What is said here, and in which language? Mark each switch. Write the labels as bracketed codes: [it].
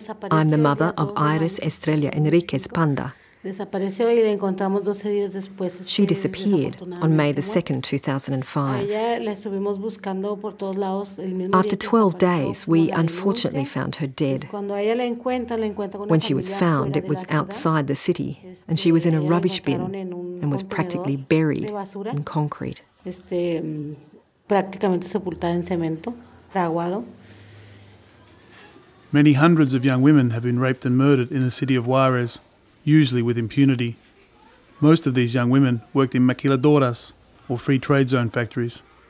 [en] I'm the mother of Iris Estrella Enriquez Panda. She disappeared on May the 2nd, 2005. After 12 days, we unfortunately found her dead. When she was found, it was outside the city, and she was in a rubbish bin and was practically buried in concrete. [es] Prácticamente sepultada en cemento, fraguado. [en] Many hundreds of young women have been raped and murdered in the city of Juarez, usually with impunity. Most of these young women worked in maquiladoras, or free trade zone factories.